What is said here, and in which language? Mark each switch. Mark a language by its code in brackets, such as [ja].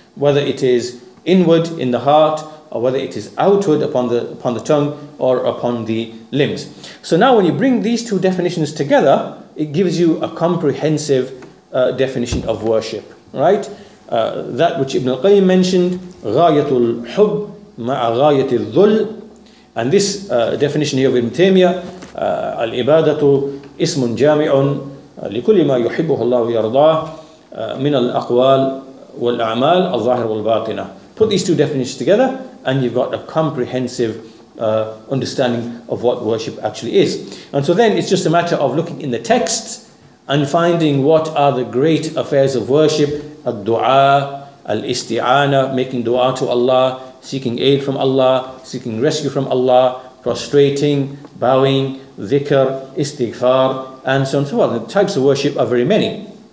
[en] Whether it is inward in the heart, or whether it is outward upon the tongue or upon the limbs. So now when you bring these two definitions together, it gives you a comprehensive definition of worship, right? That which Ibn al-Qayyim mentioned, [ar] غَايَةُ الْحُبْ مَعَ غَايَةِ الذُّلْ. [en] And this definition here of Ibn Taymiyyah, [ar] الْإِبَادَةُ إِسْمٌ جَامِعٌ لِكُلِّ مَا يُحِبُّهُ اللَّهُ يَرْضَاهُ مِنَ الْأَقْوَالِ وَالْأَعْمَالِ الظَّاهِرِ وَالْبَاطِنَةِ. [en] Put these two definitions together, and you've got a comprehensive understanding of what worship actually is. And so then it's just a matter of looking in the texts and finding what are the great affairs of worship: al-du'a, al-isti'ana, making du'a to Allah, seeking aid from Allah, seeking rescue from Allah, prostrating, bowing, dhikr, istighfar, and so on and so forth. The types of worship are very many.